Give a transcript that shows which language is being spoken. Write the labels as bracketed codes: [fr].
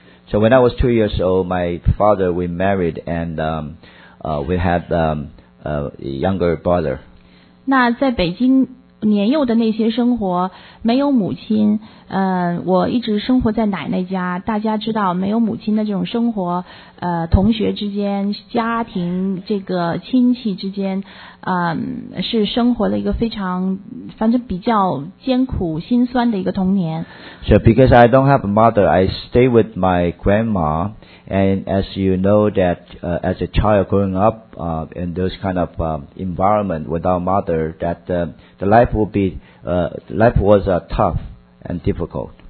[en] So when I was 2 years old, my father we married and we had a younger brother. [zh] 那在北京年幼的那些生活，没有母亲，我一直生活在奶奶家。大家知道，没有母亲的这种生活，同学之间、家庭这个亲戚之间，是生活了一个非常，反正比较艰苦、心酸的一个童年。 [en] So because I don't have a mother, I stay with my grandma. And as you know that, as a child growing up, in those kind of environment without mother, that the life will be, life was tough and difficult.